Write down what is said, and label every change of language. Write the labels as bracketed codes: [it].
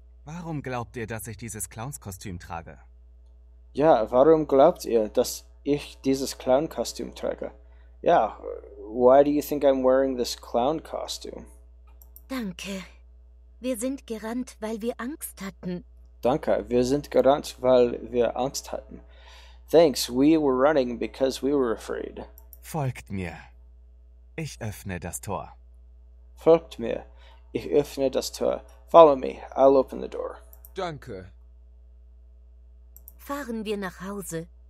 [de] Warum glaubt ihr, dass ich dieses Clownskostüm trage? Ja, warum glaubt ihr, dass ich dieses Clownkostüm trage? [en] Ja, why do you think I'm wearing this clown costume? [de] Danke. Wir sind gerannt, weil wir Angst hatten. Danke, wir sind gerannt, weil wir Angst hatten. [en] Thanks, we were running because we were afraid. [de] Folgt mir. Ich öffne das Tor. Folgt mir. Ich öffne das Tor. [en] Follow me. I'll open the door. [de] Danke. Fahren wir nach Hause.